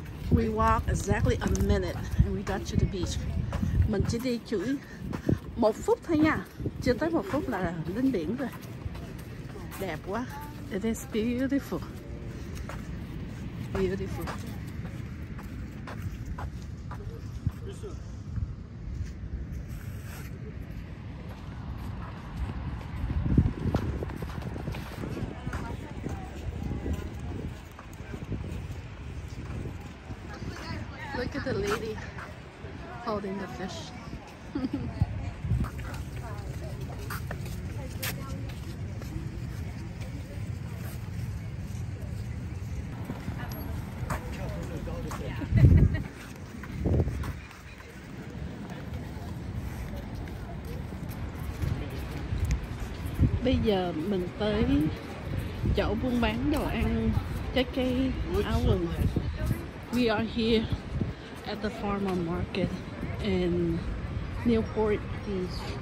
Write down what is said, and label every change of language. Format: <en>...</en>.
<en>We walked exactly a minute and we got to the beach.</en> <vi>Mình chỉ đi chữ một phút thôi nha. Chưa tới một phút là lên biển rồi. Đẹp quá.</vi> <en>It is beautiful. Beautiful. Look at the lady holding the fish.</en> <vi>Bây giờ mình tới chỗ buôn bán đồ ăn, trái cây, áo quần.</vi> <en>We are here at the farmer market in Newport Beach.</en>